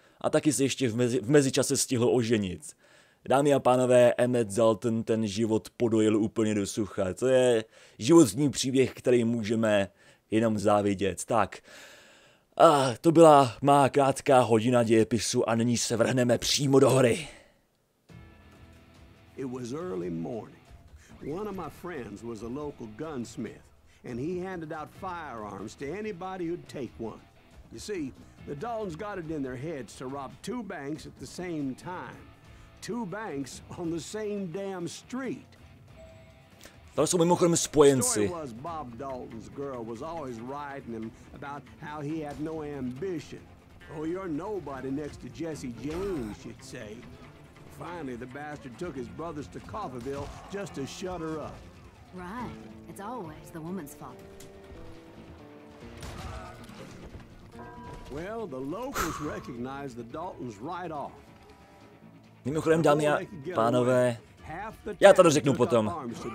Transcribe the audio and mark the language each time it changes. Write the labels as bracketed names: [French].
[Czech] A taky se ještě v mezičase stihl oženit. Dámy a pánové, Emmett Dalton ten život podojil úplně do sucha. To je životní příběh, který můžeme jenom závidět. Tak, a to byla má krátká hodina dějepisu a nyní se vrhneme přímo do hry. [English] It was early morning. One of my friends was a local gunsmith. And he handed out firearms to anybody who'd take one. You see, the Daltons got it in their heads to rob two banks at the same time. Two banks on the same damn street. [Czech] To jsou mimochodem spojenci. [English] The story was Bob Dalton's girl was always riding him about how he had no ambition. Oh, you're nobody next to Jesse James, she'd say. Finally, the bastard took his brothers to Coffeyville just to shut her up. Right. It's always the woman's fault. Well, the locals recognized the Daltons right off. [Czech] Mimochodem, dámy a pánové, já to řeknu potom.